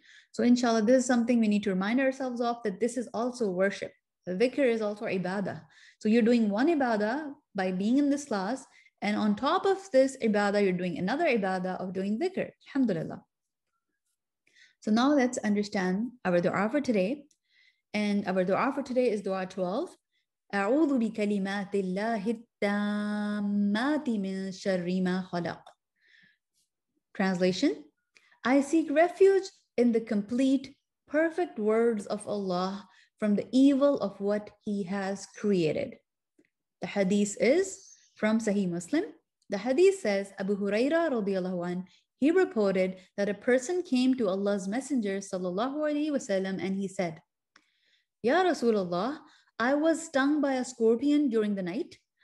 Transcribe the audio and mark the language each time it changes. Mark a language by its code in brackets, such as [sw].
[en] So inshallah, this is something we need to remind ourselves of, that this is also worship. Dhikr is also ibadah. So you're doing one ibadah by being in this class, and on top of this ibadah, you're doing another ibadah of doing dhikr. Alhamdulillah. So now let's understand our dua for today. And our dua for today is dua 12. [ar] أعوذ بكلمات الله التامات من شر ما خلق. [en] Translation, I seek refuge in the complete, perfect words of Allah from the evil of what He has created. The hadith is from Sahih Muslim. The hadith says, Abu Huraira radiallahu anh, he reported that a person came to Allah's Messenger sallallahu alayhi wa sallam and he said, Ya Rasulullah, I was stung by a scorpion during the night.